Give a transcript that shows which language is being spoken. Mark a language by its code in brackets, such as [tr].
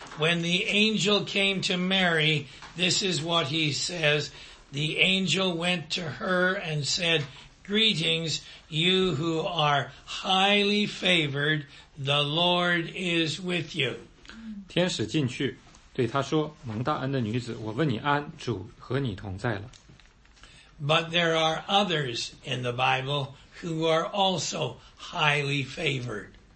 [en] When the angel came to Mary, this is what he says. The angel went to her and said, Greetings, you who are highly favored, the Lord is with you. [zh] 天使进去对他说蒙大恩的女子我问你安主和你同在了。 [en] But there are others in the Bible who are also highly favored.